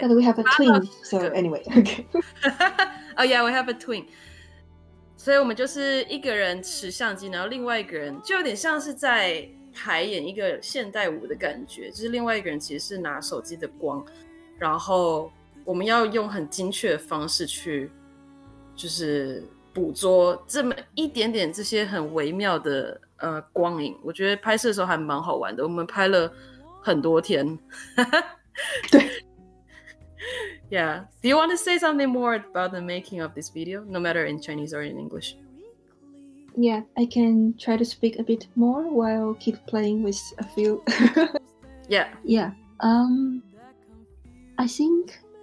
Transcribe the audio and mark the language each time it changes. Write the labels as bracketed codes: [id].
[en] but we have a twin, so anyway, okay. Oh yeah, we have a twin. [zh] 所以我们就是一个人持相机，然后另外一个人就有点像是在排演一个现代舞的感觉，就是另外一个人其实是拿手机的光，然后我们要用很精确的方式去，就是捕捉这么一点点这些很微妙的光影。我觉得拍摄的时候还蛮好玩的，我们拍了很多天。对。 [en] Yeah. Do you want to say something more about the making of this video, no matter in Chinese or in English? Yeah, I can try to speak a bit more while keep playing with a few. Yeah. Yeah. I think...